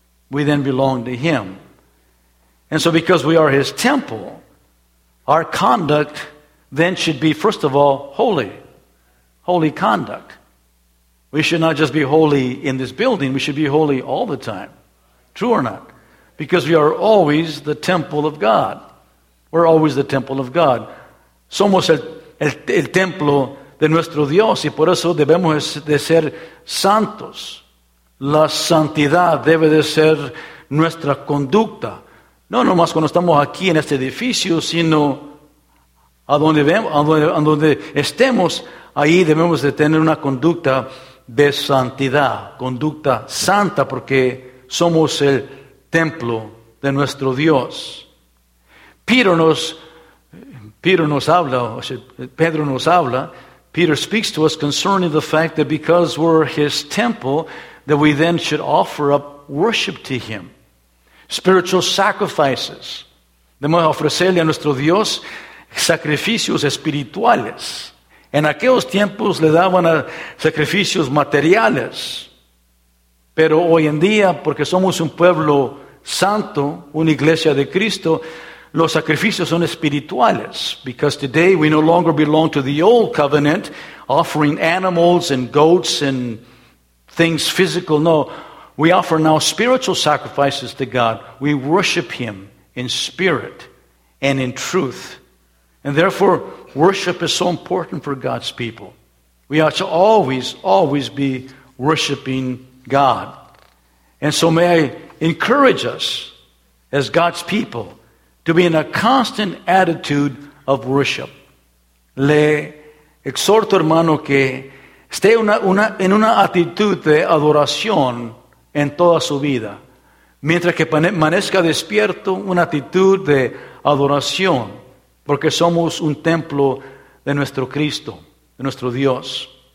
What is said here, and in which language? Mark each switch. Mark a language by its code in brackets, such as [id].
[en] We then belong to Him. And so because we are His temple, our conduct then should be, first of all, holy. Holy conduct. We should not just be holy in this building. We should be holy all the time. True or not? Because we are always the temple of God. We're always the temple of God. [es] Somos el templo de nuestro Dios. Y por eso debemos de ser santos. La santidad debe de ser nuestra conducta. No nomás cuando estamos aquí en este edificio, sino a donde estemos, ahí debemos de tener una conducta de santidad, conducta santa, porque somos el templo de nuestro Dios. [en] Peter speaks to us concerning the fact that because we're His temple, that we then should offer up worship to Him. Spiritual sacrifices. [es] Debemos ofrecerle a nuestro Dios sacrificios espirituales. En aquellos tiempos le daban sacrificios materiales. Pero hoy en día, porque somos un pueblo santo, una iglesia de Cristo, los sacrificios son espirituales. [en] Because today we no longer belong to the old covenant, offering animals and goats and things physical. No, we offer now spiritual sacrifices to God. We worship Him in spirit and in truth. And therefore, worship is so important for God's people. We ought to always, always be worshiping God. And so may I encourage us as God's people to be in a constant attitude of worship. [es] Le exhorto, hermano, que esté en una actitud de adoración en toda su vida. Mientras que permanezca despierto, una actitud de adoración. Porque somos un templo de nuestro Cristo, de nuestro Dios.